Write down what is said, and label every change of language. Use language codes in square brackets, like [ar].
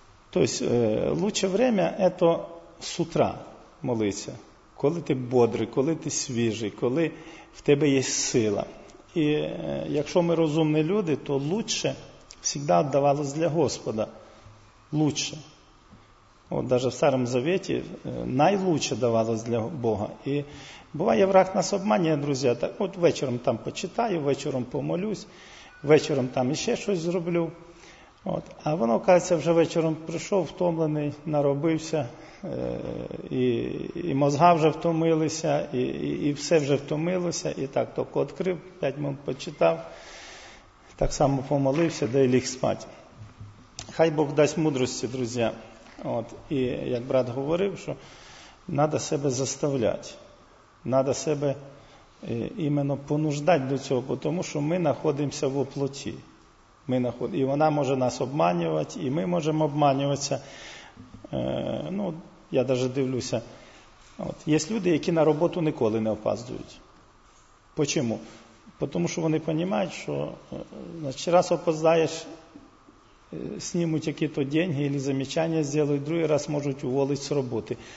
[uk] Тобто, лучше время – це з утра молитися. Коли ти бодрий, коли ти свіжий, коли в тебе є сила. І якщо ми розумні люди, то лучше завжди віддавалось для Господа. Лучше. [ru] Вот даже в Старом Завете наилучше давалось для Бога. И бывает, враг нас обманывает, друзья. Так вот вечером там почитаю, вечером помолюсь, вечером там еще что-то сделаю. Вот. А воно, кажется, уже вечером пришел, втомлений, наробився, и мозга уже втомились, и все уже втомилося, и так только открыл, 5 минут почитал, так само помолився, да и ліг спать. [uk] Хай Бог дасть мудрості, [ru] друзья. От. И, как брат говорил, что надо себя заставлять, надо себя именно понуждать до этого, потому что мы находимся во плоти. [uk] И вона може нас обманювати, і ми можемо обманюватися. Ну, я даже дивлюся. От, є люди, які на роботу ніколи не опаздують. Чому? Тому що вони розуміють, що значить, раз опоздаєш, знімуть якісь деньги или замечання зроблять, другий раз можуть уволити з роботи.